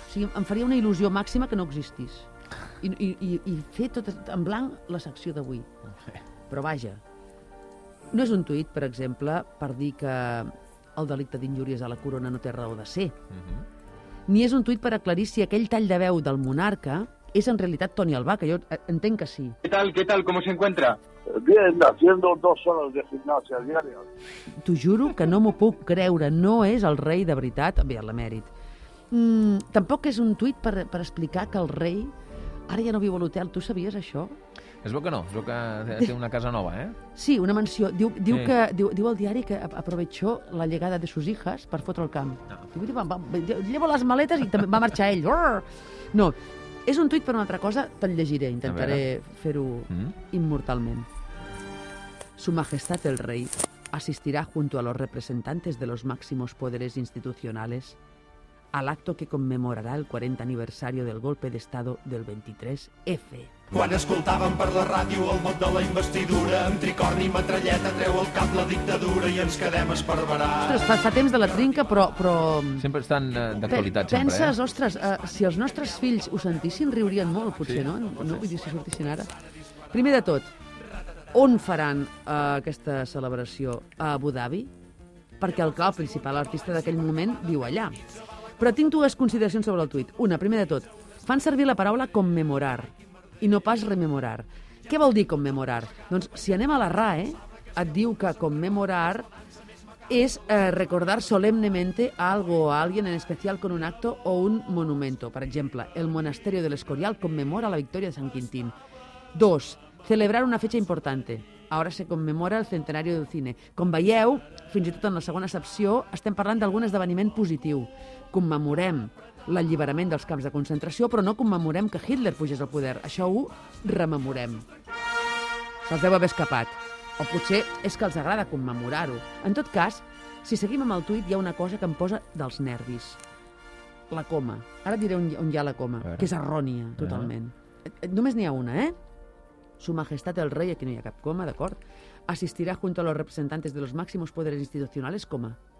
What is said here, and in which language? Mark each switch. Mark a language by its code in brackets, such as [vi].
[ca] O sigui, em faria una il·lusió màxima que no existís. I fer tot en blanc la secció d'avui. Però vaja, no és un tuit, per exemple, per dir que el delicte d'injúries a la corona no té raó de ser. Ni és un tuit per aclarir si aquell tall de veu del monarca és en realitat Toni Albà, que jo entenc que sí. [es] ¿Qué tal? ¿Qué tal? ¿Cómo se encuentra? Bien, haciendo 2 horas de gimnasia diario. [ca] T'ho juro que no m'ho puc creure, no és el rei de veritat, bé, l'emèrit. Tampoc és un tuit per explicar que el rei ara ja no viu a l'hotel, tu sabies això? Es veu que no, es veu que té una casa nova, eh? Sí, una mansió. Diu sí. Que, diu el diari que [es] aprovechó la llegada de sus hijas [ca] per fotre el camp. No. Diu, llevo les maletes i també va marxar ell. No, és un tuit per una altra cosa, te'l llegiré, intentaré fer-ho immortalment. [es] Su majestad el rey asistirá junto a los representantes de los máximos poderes institucionales al acto que conmemorará el 40 aniversario del golpe de estado del 23F. [ca] Quan escoltàvem per la ràdio el mot de la investidura, amb tricorni i metralleta treu el cap la dictadura i ens quedem esparverats. Ostres, fa temps de la trinca, però... Sempre estan d'actualitat, sempre. Penses, ostres, si els nostres fills ho sentissin, riurien molt, potser, sí, no? No vull dir si sortissin ara. Primer de tot, on faran aquesta celebració? A Abu Dhabi? Perquè el cap principal artista d'aquell moment viu allà. Però tinc dues consideracions sobre el tuit. Una, primer de tot, fan servir la paraula commemorar i no pas rememorar. Què vol dir commemorar? Doncs si anem a la RAE, et diu que commemorar és [es] recordar solemnemente algo o alguien en especial con un acto o un monumento. [ca] Per exemple, el Monasterio del Escorial commemora la victòria de Sant Quintín. [es] Dos, celebrar una fecha importante. Ahora se commemora el centenario del cine. [ca] Com veieu, fins i tot en la segona excepció, estem parlant d'algun esdeveniment positiu. Commemorem l'alliberament dels camps de concentració, però no commemorem que Hitler pugés al poder. Això ho rememorem. Se'ls deu haver escapat. O potser és que els agrada commemorar-ho. En tot cas, si seguim amb el tuit, hi ha una cosa que em posa dels nervis. La coma. Ara diré on hi ha la coma, que és errònia, totalment. Només n'hi ha una, eh? [es] Su majestad el rey, [ca] aquí no hi ha cap coma, d'acord? Assistirà [es] junto a los representantes de los máximos poderes institucionales, coma.